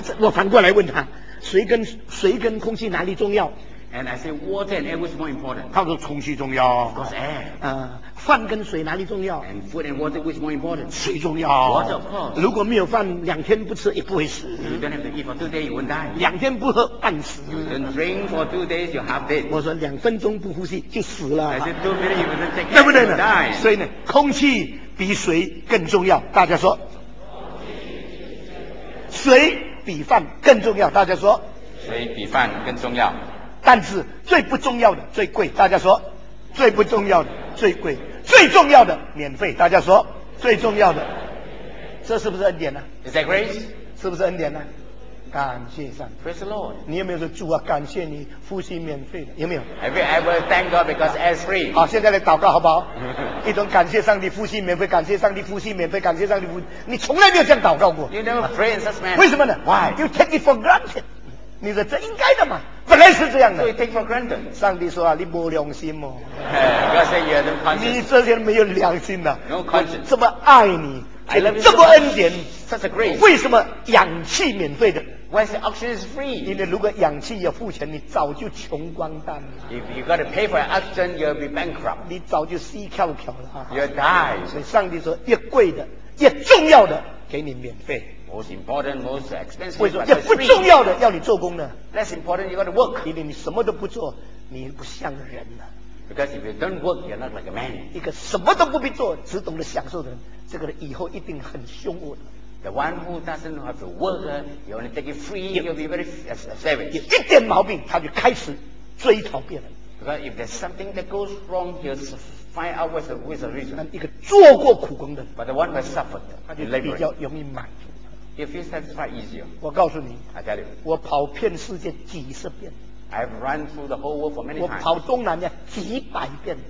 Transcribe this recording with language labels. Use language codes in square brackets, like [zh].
[zh] 我反过来问他，水跟空气哪里重要？ [en] And I say water and air which is more important. [zh] 他说空气重要。 [en] Of course, air. [zh] 饭跟水哪里重要？ [en] And food and water which is more important. [zh] 水重要。 [en] Water, of course. [zh] 如果没有饭，两天不吃也不会死。 [en] You don't have to eat for 2 days, you won't die. [zh] 两天不喝半死。 [en] You don't drink for 2 days, you're half dead. [zh] 我说两分钟不呼吸就死了。 [en] I said 2 minutes, you won't take care, you won't die. [zh] 所以呢，空气比水更重要。大家说。水比饭更重要。大家说。水比饭更重要。但是最不重要的最贵，大家说，最不重要的最贵，最重要的免费，大家说，最重要的，这是不是恩典呢？ [en] Is that grace? [zh] 是不是恩典呢？感谢上帝。 [en] Praise the Lord. [zh] 你有没有说主啊，感谢你呼吸免费的，有没有？ [en] Have you ever thank God because air is free? [zh] 好，现在来祷告好不好？一种感谢上帝呼吸免费，感谢上帝呼吸免费，感谢上帝呼吸，你从来没有这样祷告过。 [en] You never pray in such manner. [zh] 为什么呢？ [en] Why? You take it for granted. [zh] 你说这应该的嘛。本来是这样的。 [en] So you take for granted. [zh] 上帝说啊，你没良心哦。 [en] God said you have no conscience. [zh] 你这些没有良心的。 [en] No conscience. [zh] 这么爱你， [en] I love you [zh] 这么恩典， [en] such a grace. [zh] 为什么氧气免费的？ [en] Why is the oxygen is free? [zh] 因为如果氧气要付钱，你早就穷光蛋了。 [en] If you got to pay for oxygen, you'll be bankrupt. [zh] 你早就死翘翘了。 [en] You'll die. [zh] 所以上帝说，越贵的，越重要的，给你免费。 [en] Most important, most expensive. [zh] 为什么？也不重要的，要你做工呢。 [en] That's important. You got to work. [zh] 因为你什么都不做，你不像人了。 [en] Because if you don't work, you're not like a man. [zh] 一个什么都不必做，只懂得享受的人，这个人以后一定很凶恶。 [en] The one who doesn't have to work, you only take it free, you'll be very savage. [zh] 有一点毛病，他就开始追讨别人。 [en] Because if there's something that goes wrong, he'll find out what's the reason. [zh] 一个做过苦工的人 [en] ，But the one who suffered, [zh] 他就比较容易满足。 [en] If you satisfy easier, [zh] 我告诉你， [en] I tell you, [zh] 我跑遍世界几十遍。 [en] I've run through the whole world for many times. [zh] 我跑东南亚几百遍。